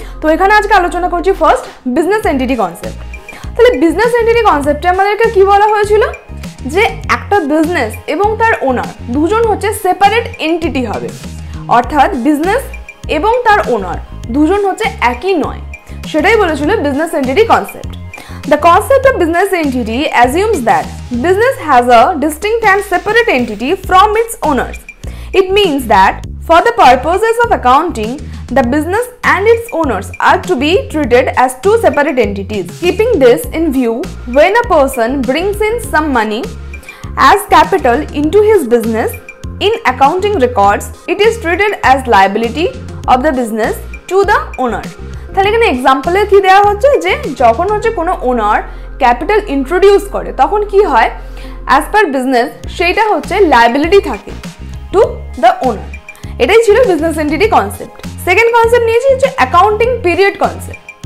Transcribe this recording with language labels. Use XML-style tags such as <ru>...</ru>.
<bn>তো এখানে আজকে আলোচনা করছি ফার্স্ট বিজনেস এন্টিটি কনসেপ্ট। তাহলে বিজনেস এন্টিটি কনসেপ্টে আমাদেরকে কী বলা হয়েছিল, যে একটা বিজনেস এবং তার ওনার দুজন হচ্ছে সেপারেট এন্টিটি হবে, অর্থাৎ বিজনেস এবং তার ওনার দুজন হচ্ছে একই নয়, সেটাই বলেছিল business entity concept.</bn> <en>The concept of business entity assumes that business has a distinct and separate entity from its owners. It means that for the purposes of accounting, the business and its owners are to be treated as two separate entities. Keeping this in view, when a person brings in some money as capital into his business, in accounting records, it is treated as liability of the business to the owner.</en> <bn>তাহলে এখানে এক্সাম্পলে কী দেওয়া হচ্ছে, যে যখন হচ্ছে কোনো ওনার capital introduce করে তখন কী হয়, অ্যাজ পার বিজনেস সেইটা হচ্ছে লাইবিলিটি থাকে টু দ্য ওনার। এটাই ছিল business entity concept. Second concept নিয়েছি হচ্ছে অ্যাকাউন্টিং পিরিয়ড কনসেপ্ট।</bn>